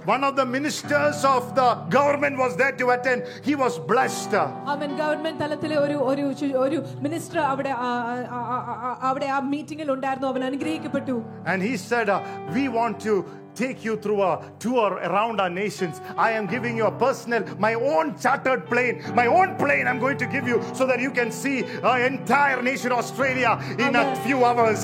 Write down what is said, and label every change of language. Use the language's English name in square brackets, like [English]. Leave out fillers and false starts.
[English] One of the ministers of the government was there to attend. He was blessed. [Malayalam] അമ്മ government തലത്തിലെ ഒരു ഒരു ഒരു മിനിസ്റ്റർ അവിടെ അവിടെ ആ മീറ്റിംഗിൽ ഉണ്ടായിരുന്നു. അവൻ അനുഗ്രഹിക്കപ്പെട്ടു. [English] And he said, we want to take you through a tour around our nations. I am giving you a personal, my own chartered plane, my own plane I'm going to give you so that you can see our entire nation, Australia, in Amen. A few hours.